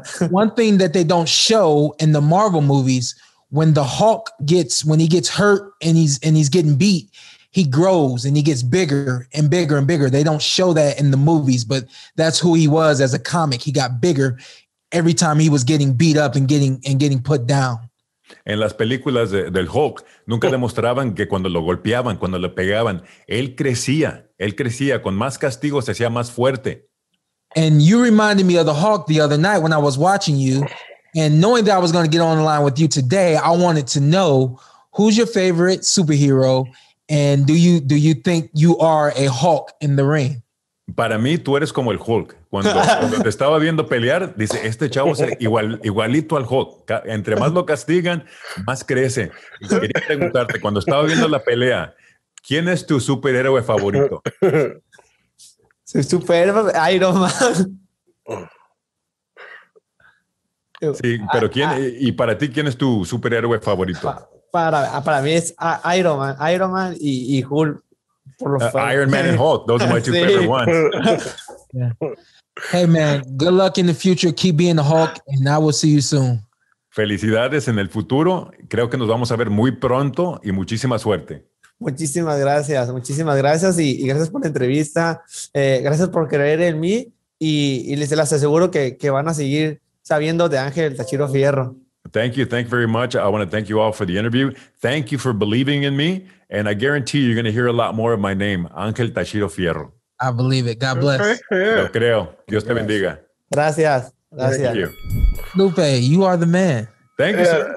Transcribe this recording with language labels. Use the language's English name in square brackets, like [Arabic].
[English] One thing that they don't show in the Marvel movies, when the Hulk gets, when he gets hurt and he's getting beat, he grows and he gets bigger and bigger and bigger. They don't show that in the movies, but that's who he was as a comic. He got bigger every time he was getting beat up and getting put down. [Spanish] En las películas del Hulk, nunca demostraban que cuando lo golpeaban, cuando le pegaban, él crecía, con más castigo se hacía más fuerte. [English] And you reminded me of the Hulk the other night when I was watching you, and knowing that I was going to get on the line with you today, I wanted to know, who's your favorite superhero, and do you think you are a Hulk in the ring? [Spanish] Para mí, tú eres como el Hulk. Cuando te estaba viendo pelear, dice, este chavo es igualito al Hulk. Entre más lo castigan, más crece. Y quería preguntarte, cuando estaba viendo la pelea, ¿quién es tu superhéroe favorito? Su superhéroe, Iron Man. Sí, pero ¿quién? Y para ti, ¿quién es tu superhéroe favorito? Para mí es Iron Man. Iron Man y Hulk. [English] Iron Man and Hulk, those are my two favorite ones. Yeah. Hey man, good luck in the future. Keep being a Hulk, and I will see you soon. [Spanish] Felicidades en el futuro. Creo que nos vamos a ver muy pronto y muchísima suerte. Muchísimas gracias y gracias por la entrevista. Gracias por creer en mí y les aseguro que van a seguir sabiendo de Ángel Tachiro Fierro. [English] Thank you very much. I want to thank you all for the interview. Thank you for believing in me. And I guarantee you're going to hear a lot more of my name, Ángel Tachiro Fierro. I believe it. God bless. [Spanish] Lo creo. Dios te bendiga. Gracias. Gracias. [English] Thank you. Lupe, you are the man. Thank you, sir.